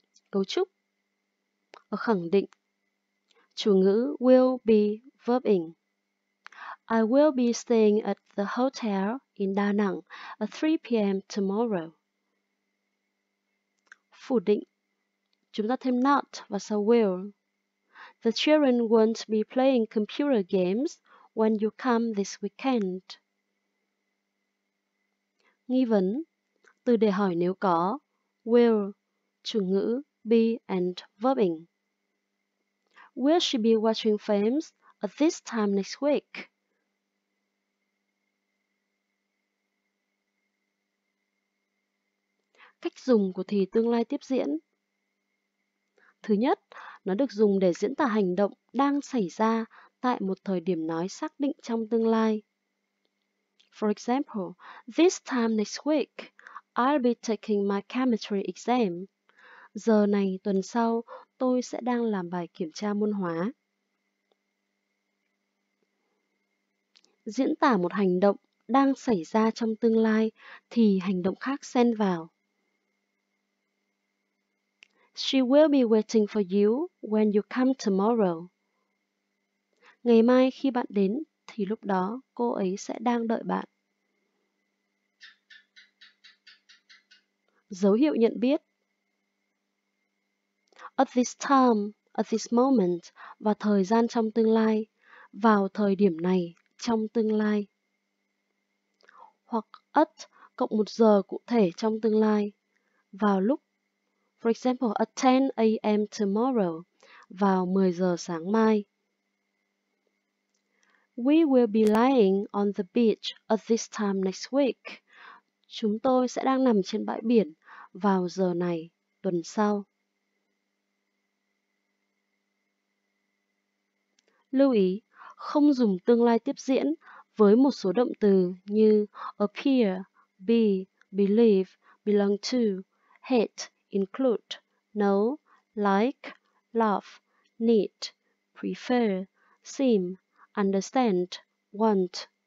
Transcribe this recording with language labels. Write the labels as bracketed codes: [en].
[vi] Cấu trúc ở khẳng định. Chủ ngữ will be verb ing. [en] I will be staying at the hotel in Da Nang at 3 p.m. tomorrow. [vi] Phủ định. Chúng ta thêm not và sau will. [en] The children won't be playing computer games when you come this weekend. [vi] Nghi vấn. Từ để hỏi nếu có. Will. Chủ ngữ. [en] Be and verbing. Will she be watching films at this time next week? [vi] Cách dùng của thì tương lai tiếp diễn. Thứ nhất, nó được dùng để diễn tả hành động đang xảy ra tại một thời điểm nói xác định trong tương lai. [en] For example, this time next week, I'll be taking my chemistry exam. [vi] Giờ này tuần sau, tôi sẽ đang làm bài kiểm tra môn hóa. Diễn tả một hành động đang xảy ra trong tương lai thì hành động khác xen vào. [en] She will be waiting for you when you come tomorrow. [vi] Ngày mai khi bạn đến thì lúc đó cô ấy sẽ đang đợi bạn. Dấu hiệu nhận biết. [en] At this time, at this moment, [vi] và thời gian trong tương lai, vào thời điểm này, trong tương lai. Hoặc at cộng một giờ cụ thể trong tương lai, vào lúc. [en] For example, at 10 a.m. tomorrow, [vi] vào 10 giờ sáng mai. [en] We will be lying on the beach at this time next week. [vi] Chúng tôi sẽ đang nằm trên bãi biển vào giờ này, tuần sau. Lưu ý, không dùng tương lai tiếp diễn với một số động từ như appear, be, believe, belong to, hate, include, know, like, love, need, prefer, seem, understand, want.